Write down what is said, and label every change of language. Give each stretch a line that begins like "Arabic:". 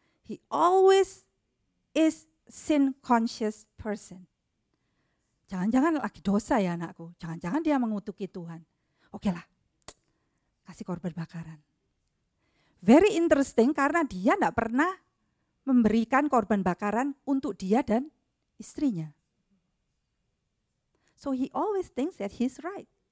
English: He always is sin conscious person.
Indonesian: Jangan-jangan lagi dosa ya anakku. Jangan-jangan dia mengutuki Tuhan. Okelah, kasih korban bakaran.
English: Very interesting
Indonesian: karena dia tidak pernah memberikan korban bakaran untuk dia dan istrinya.
English: So he always thinks that he's right.